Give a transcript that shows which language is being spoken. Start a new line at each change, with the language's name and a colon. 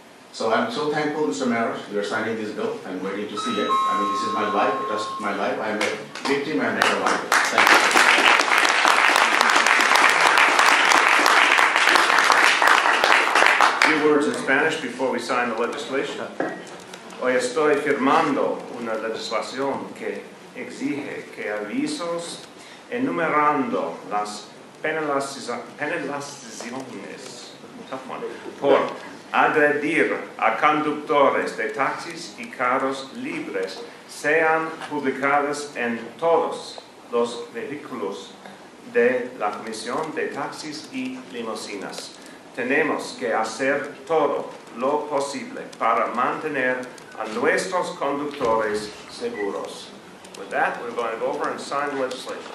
English: So I'm so thankful, Mr. Mayor, you're signing this bill. I'm waiting to see it. I mean, this is my life, just my life. I'm a victim, I'm a survivor. Thank you. Words in Spanish before we sign the legislation.
Spanish: Hoy estoy firmando una legislación que exige que avisos enumerando las penalizaciones por agredir a conductores de taxis y carros libres sean publicadas en todos los vehículos de la Comisión de Taxis y Limusinas. Tenemos que hacer todo lo posible para mantener a nuestros conductores seguros.
English: With that, we're going to go over and sign the legislation.